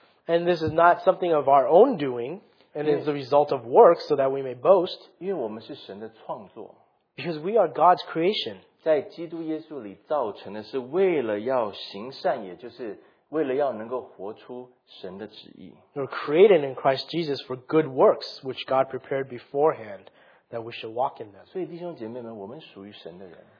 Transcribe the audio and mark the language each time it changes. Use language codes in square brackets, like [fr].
[en] And this is not something of our own doing, and it's the result of work so that we may boast. [zh] 因为我们是神的创作。 [en] Because we are God's creation. [zh] 在基督耶稣里造成的是为了要行善，也就是为了要能够活出神的旨意。 [en] We're created in Christ Jesus for good works, which God prepared beforehand that we should walk in them. [zh] 所以弟兄姐妹们, 我们属于神的人。